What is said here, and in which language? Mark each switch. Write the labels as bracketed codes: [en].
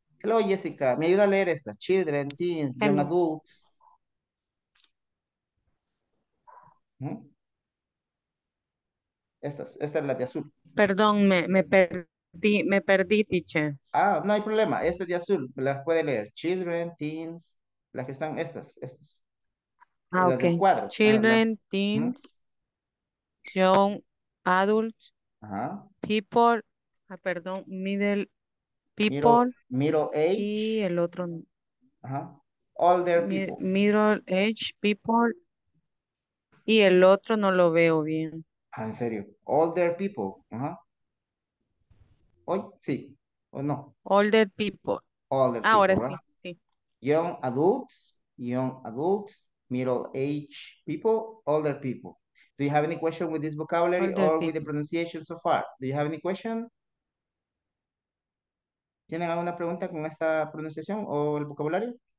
[es] Hello, Jessica. ¿Me ayuda a leer estas? [en] Children, teens, young adults. [es] Esta es la de azul. Perdón, me perdí, teacher. No hay problema, esta es de azul, la puede leer. [en] Children, teens, [es] las que están estas. Ok. Cuadro. [en] Children, teens, young adults, people, [es] perdón, [en] middle people, middle age, [es] y el otro. [en] Older people. Middle age people. [es] Y el otro no lo veo bien. En serio. [en] Older people. [es] Hoy sí. ¿O no? [en] Older people. Older people. [es] Ahora ¿verdad? Sí. [en] Young adults, middle age people, older people. Do you have any question with this vocabulary older or people. With the pronunciation so far? Do you have any question? [es] ¿Tienen alguna pregunta con esta pronunciación o el vocabulario?